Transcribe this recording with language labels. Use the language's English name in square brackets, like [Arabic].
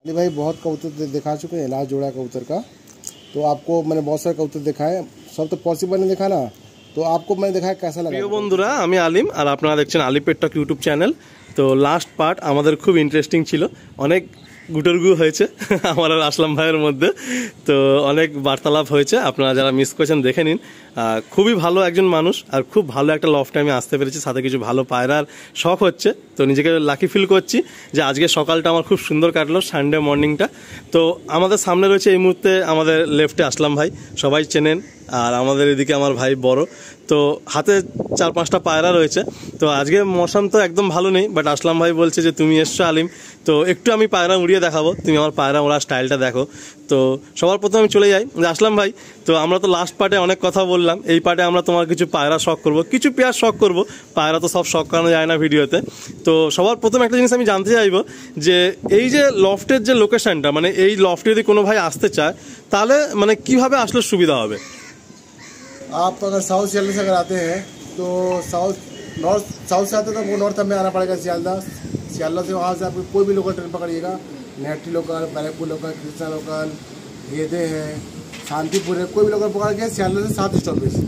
[Hindi] नहीं भाई, बहुत कबूतर दिखा चुके हैं, लास्ट जोड़ा कबूतर का तो आपको मैंने बहुत सारे कबूतर दिखाए, सब तो पॉसिबल नहीं दिखा ना, तो आपको मैंने दिखाया कैसा लगा। [Bangla] प्रिय बंधुरा, আমি আলিম আর আপনারা দেখছেন আলি পেট টক ইউটিউব চ্যানেল। তো লাস্ট পার্ট আমাদের খুব ইন্টারেস্টিং ছিল, অনেক গুটরগু হয়েছে আমার আর আসলাম ভাইয়ের মধ্যে, তো অনেক বার্তালাপ হয়েছে, আপনারা যারা মিস করেছেন দেখে নিন। খুবই ভালো একজন মানুষ আর খুব ভালো একটা লফটে আমি আসতে পেরেছি, সাথে কিছু ভালো পায়রার শখ হচ্ছে, তো নিজেকে লাকি ফিল করছি যে আজকে সকালটা আমার খুব সুন্দর কাটলো, সানডে মর্নিংটা। তো আমাদের সামনে রয়েছে এই মুহূর্তে আমাদের লেফটে আসলাম ভাই, সবাই চেনেন, আর আমাদের এদিকে আমার ভাই বড়, তো হাতে চার পাঁচটা পায়রা রয়েছে। তো আজকে মৌসুম তো একদম ভালো নেই, বাট আসলাম ভাই বলছে যে তুমি এসছো আলিম, তো একটু আমি পায়রা উড়িয়ে দেখাবো, তুমি আমার পায়রা ওড়ার স্টাইলটা দেখো। তো সবার প্রথমে আমি চলে যাই যে আসলাম ভাই, তো আমরা তো লাস্ট পার্টে অনেক কথা বললাম, এই পার্টে আমরা তোমার কিছু পায়রা শখ করবো, কিছু পেয়ার শখ করবো, পায়রা তো সব শখ করানো যায় না ভিডিওতে। তো সবার প্রথমে একটা জিনিস আমি জানতে চাইবো যে এই যে লফটের যে লোকেশনটা, মানে এই লফটে যদি কোনো ভাই আসতে চায় তাহলে মানে কীভাবে আসলে সুবিধা হবে? [Hindi] आप अगर साउथ सियालदह से अगर आते हैं तो साउथ नॉर्थ साउथ से आते हैं तो वो नॉर्थ हमें आना पड़ेगा सियालदह, सियालदह से वहाँ से आप कोई भी local train पकड़िएगा, नेहटी local, Barrackpore local, Krishna local, गेदे है, शांतिपुर है, कोई भी लोकल पकड़ के सियालदह से सात स्टॉपेज।